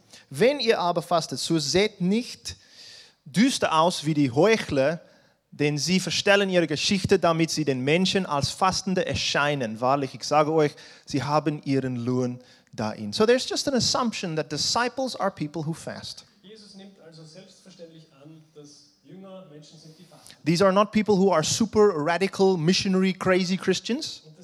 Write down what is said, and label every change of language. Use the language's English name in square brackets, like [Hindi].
[German] Wenn ihr aber fastet, so seht nicht düster aus wie die Heuchler, denn sie verstellen ihre Geschichte, damit sie den Menschen als Fastende erscheinen. Wahrlich, ich sage euch, sie haben ihren Lohn darin. [English] So there's just an assumption that disciples are people who fast. [German] Jesus nimmt also selbstverständlich an, dass Jünger Menschen sind, die fasten. [English] These are not people who are super radical, missionary, crazy Christians.